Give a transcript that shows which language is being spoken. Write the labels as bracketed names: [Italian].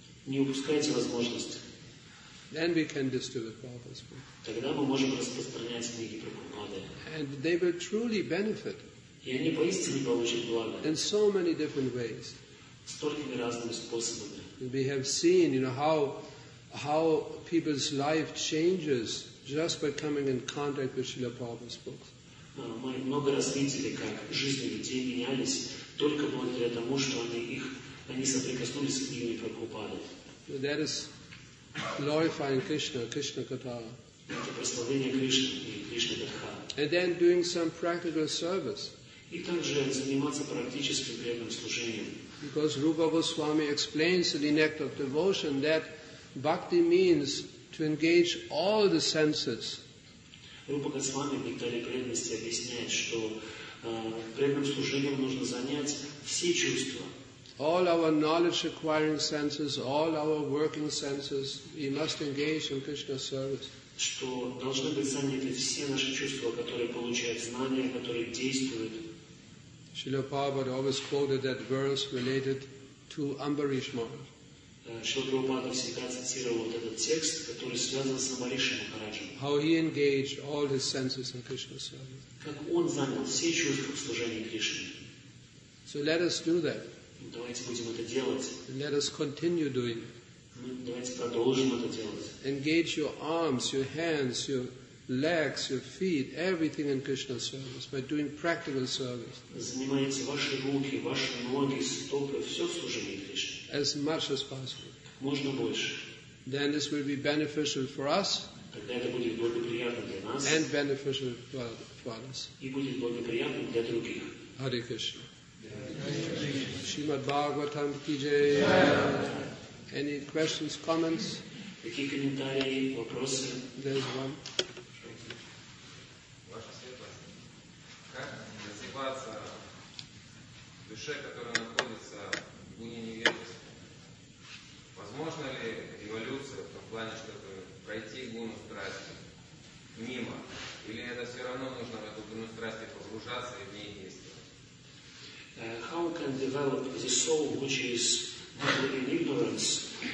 [Russian] Не упускайте возможность. [English] Then we can distribute Prabhupada's book. [Russian] Тогда мы можем распространять книги Прабхупады. [English] And they will truly benefit. [Russian] И они поистине получат благо. [English] In so many different ways. [Russian] Столькими разными способами. [English] We have seen, you know, how people's life changes just by coming in contact with Srila Prabhupada's books. [Russian] Мы много раз видели, как жизни людей менялись только благодаря тому, что они соприкоснулись с книгами Прабхупады. [English] That is glorifying Krishna, Krishna Katara. [Russian] Это прославление Кришны и Кришна Катха. [English] And then doing some practical service. [Russian] И также заниматься практическим преданным служением. [English] Because Rupa Goswami explains in the Nectar of Devotion that bhakti means to engage all the senses. [Russian] Рупа Госвами в Нектаре преданности объясняет, что преданным служением нужно занять все чувства. [English] All our knowledge acquiring senses, all our working senses, we must engage in Krishna service. [Russian] Что должны быть заняты все наши чувства, которые получают знания, которые действуют. [English] Srila Prabhupada always quoted that verse related to Ambarish Maharaj. [Russian] Srila Prabhupada всегда цитировал вот этот текст, который связан с Амбаришем Махараджем. [English] How he engaged all his senses in Krishna service. [Russian] Как он занял все чувства в служении Кришне. [English] So let us do that. [Russian] Давайте будем это делать. Давайте продолжим это делать. [English] Engage your arms, your hands, your legs, your feet, everything in Krishna service by doing practical service. [Russian] Занимайте ваши руки, ваши ноги, стопы, все в служении Кришне. [English] As much as possible. [Russian] Можно больше. [English] Then this will be beneficial for us. [Russian] Тогда это будет благоприятно для нас. [English] And beneficial for others. [Russian] И будет благоприятно для других. [English] Hare Krishna. Srimad Bhagavatam Ki Jai. Any questions, comments? [Russian] Какие комментарии, вопросы? [English] There's one. [Russian] Ваша светлость. Как развиваться в душе, которая находится в уме неверности? Возможно ли эволюция в том плане, чтобы пройти гуну страсти? мимо? Или это все равно нужно в эту гуну страсти погружаться и в ней действовать? [English] How can develop the soul which is in ignorance?